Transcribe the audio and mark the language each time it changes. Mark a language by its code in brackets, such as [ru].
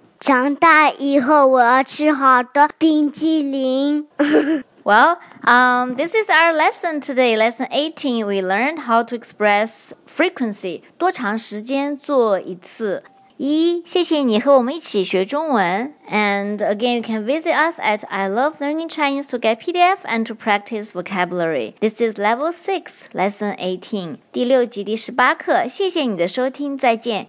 [zh] 长大以后我要吃好的冰淇淋。 [en] Well, this is our lesson today. Lesson 18, we learned how to express frequency. [zh] 多长时间做一次。一，谢谢你和我们一起学中文。 [en] And again, you can visit us at I Love Learning Chinese to get PDF and to practice vocabulary. This is Level 6, Lesson 18. [zh] 第六集第十八课，谢谢你的收听，再见。